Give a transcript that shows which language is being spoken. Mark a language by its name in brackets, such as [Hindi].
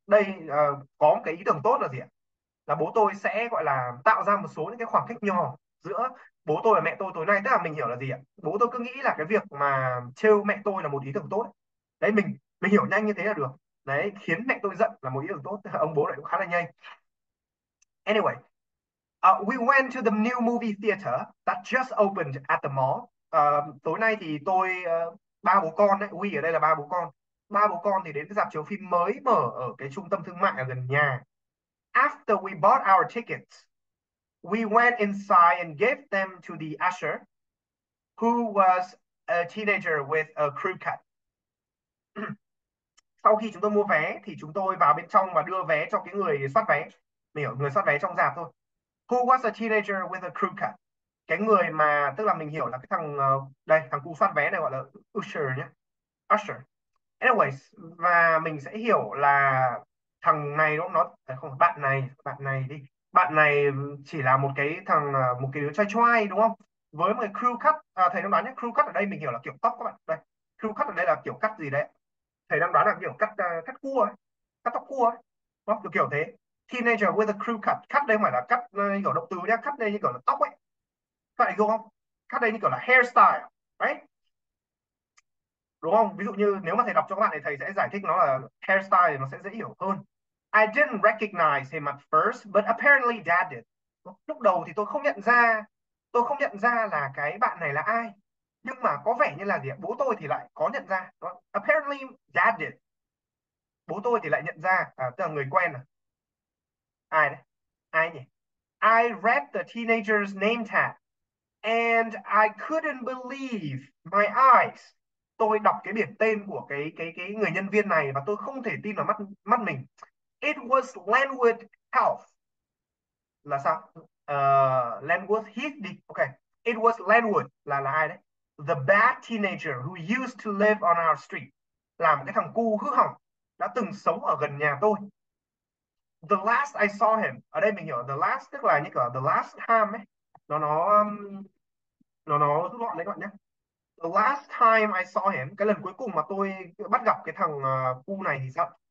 [Vietnamese] Đây có một cái ý tưởng tốt là gì ạ? Là bố tôi sẽ gọi là tạo ra một số những cái khoảng cách nhỏ giữa bố tôi và mẹ tôi tối nay. Tức là mình hiểu là gì ạ? Bố tôi cứ nghĩ là cái việc mà trêu mẹ tôi là một ý tưởng tốt. Đấy, mình hiểu nhanh như thế là được đấy, khiến mẹ tôi giận là một ý tưởng tốt. Ông bố lại cũng khá là nhanh. [English] Anyway, we went to the new movie theater that just opened at the mall. [Vietnamese] Tối nay thì tôi ba bố con đấy, we ở đây là ba bố con, ba bố con thì đến cái rạp chiếu phim mới mở ở cái trung tâm thương mại ở gần nhà. [English] After we bought our tickets, we went inside and gave them to the usher who was a teenager with a crew cut. [Vietnamese] Sau khi chúng tôi mua vé thì chúng tôi vào bên trong và đưa vé cho cái người soát vé. Mình hiểu, người soát vé trong rạp thôi. [English] Who was a teenager with a crew cut? [Vietnamese] Cái người mà, tức là mình hiểu là cái thằng, đây, thằng cu soát vé này gọi là usher nhé. Usher. Anyways, và mình sẽ hiểu là thằng này đúng không? Nó, không, bạn này đi. Bạn này chỉ là một cái thằng, một cái đứa trai trai đúng không? Với một cái crew cut, thầy đang đoán nhé, crew cut ở đây mình hiểu là kiểu tóc các bạn. Đây, crew cut ở đây là kiểu cắt gì đấy? Thầy đang đoán là kiểu cắt cắt cua ấy, cắt tóc cua ấy, đó, kiểu kiểu thế. [English] Teenager with a crew cut, [Vietnamese] cắt đây không phải là cắt kiểu động từ nhé, cắt đây như kiểu là tóc ấy, các bạn hiểu không? Cắt đây như kiểu là hairstyle đấy, đúng không? Ví dụ như nếu mà thầy đọc cho các bạn thì thầy sẽ giải thích nó là hairstyle thì nó sẽ dễ hiểu hơn. [English] I didn't recognize him at first, but apparently dad did. [Vietnamese] Lúc đầu thì tôi không nhận ra là cái bạn này là ai. Nhưng mà có vẻ như là gì ạ? Bố tôi thì lại có nhận ra. [English] Apparently dad did. [Vietnamese] Bố tôi thì lại nhận ra. À, tức là người quen à. Ai đấy? Ai nhỉ? [English] I read the teenager's name tag. And I couldn't believe my eyes. [Vietnamese] Tôi đọc cái biển tên của cái người nhân viên này và tôi không thể tin vào mắt mắt mình. [English] It was Landwood Health. [Vietnamese] Là sao? Landwood Heath đi. Okay. [English] It was Landwood. [Vietnamese] Là ai đấy? [English] The bad teenager who used to live on our street. [Vietnamese] Là một cái thằng cu hư hỏng đã từng sống ở gần nhà tôi. [English] The last I saw him. [Vietnamese] Ở đây mình hiểu the last tức là như kiểu the last time ấy. nó rút gọn đấy các bạn nhé. [English] The last time I saw him, [Vietnamese] cái lần cuối cùng mà tôi bắt gặp cái thằng cu này thì sao?